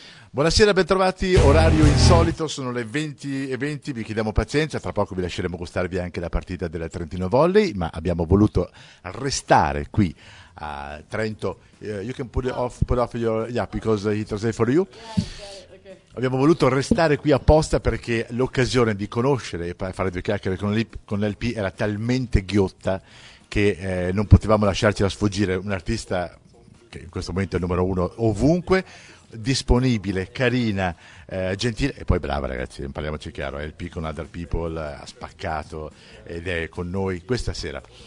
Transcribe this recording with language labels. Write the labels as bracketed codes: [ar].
[it] Buonasera, bentrovati, orario insolito, sono le 20:20, vi chiediamo pazienza, tra poco vi lasceremo gustarvi anche la partita del Trentino Volley, ma abbiamo voluto restare qui a Trento. [en] You can put off your, yeah, because he translated for you. [it] Abbiamo voluto restare qui apposta perché l'occasione di conoscere e fare due chiacchiere con l'LP era talmente ghiotta che non potevamo lasciarcela sfuggire. Un artista che in questo momento è il numero uno ovunque, disponibile, carina, gentile e poi brava, ragazzi, parliamoci chiaro, è il LP con Other People, ha spaccato ed è con noi questa sera.